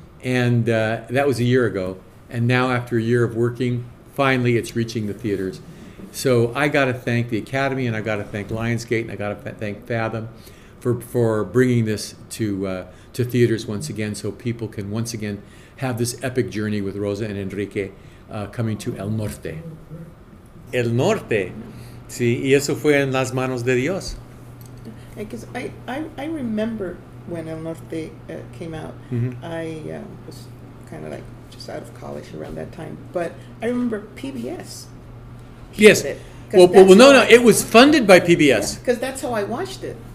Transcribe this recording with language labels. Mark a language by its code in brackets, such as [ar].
[en] And that was a year ago, and now after a year of working, finally it's reaching the theaters. So I got to thank the Academy, and I got to thank Lionsgate, and I got to thank Fathom for bringing this to theaters once again, so people can once again have this epic journey with Rosa and Enrique coming to El Norte. [es] el norte. Sí, y eso fue en las manos de Dios. [en] Because I remember when El Norte came out, I was kind of like just out of college around that time. But I remember PBS. Yes. Well, no. It was funded by PBS. Because that's how I watched it.